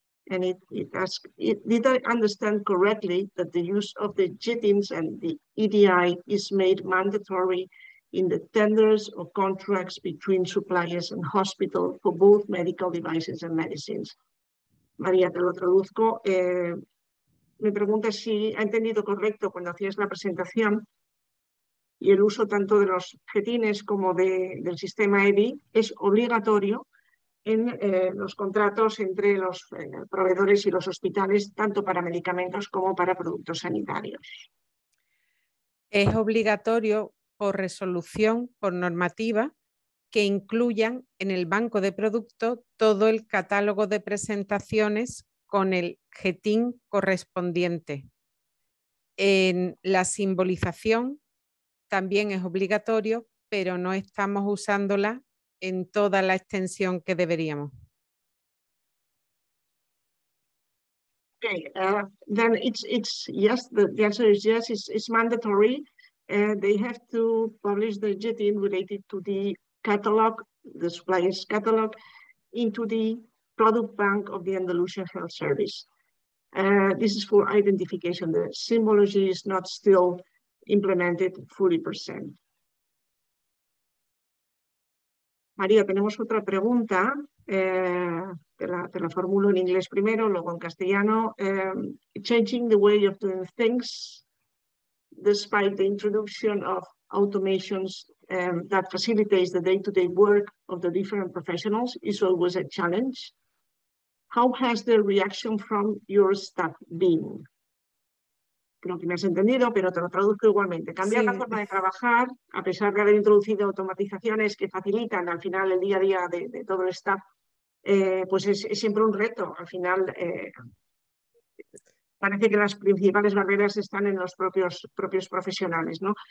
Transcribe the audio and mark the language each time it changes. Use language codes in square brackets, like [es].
[en] And it asks, did I understand correctly that the use of the JITINs and the EDI is made mandatory in the tenders or contracts between suppliers and hospital for both medical devices and medicines? [es] María, te lo traduzco. Me pregunta si ha entendido correcto cuando hacías la presentación y el uso tanto de los JITINs como del sistema EDI es obligatorio en los contratos entre los proveedores y los hospitales, tanto para medicamentos como para productos sanitarios. Es obligatorio por resolución, por normativa, que incluyan en el banco de productos todo el catálogo de presentaciones con el JITIN correspondiente. En la simbolización también es obligatorio, pero no estamos usándola en toda la extensión que deberíamos. [en] Okay, then it's yes, the answer is yes, it's mandatory. They have to publish the JITIN related to the catalog, the supplier's catalog, into the product bank of the Andalusian Health Service. This is for identification. The symbology is not still implemented 40%. [es] María, tenemos otra pregunta, te la formulo en inglés primero, luego en castellano. [en] Changing the way of doing things despite the introduction of automations that facilitates the day-to-day work of the different professionals is always a challenge. How has the reaction from your staff been? [es] Creo que me has entendido, pero te lo traduzco igualmente. Cambiar la forma de trabajar, a pesar de haber introducido automatizaciones que facilitan al final el día a día de todo el staff, pues es siempre un reto. Al final, parece que las principales barreras están en los propios profesionales, ¿no?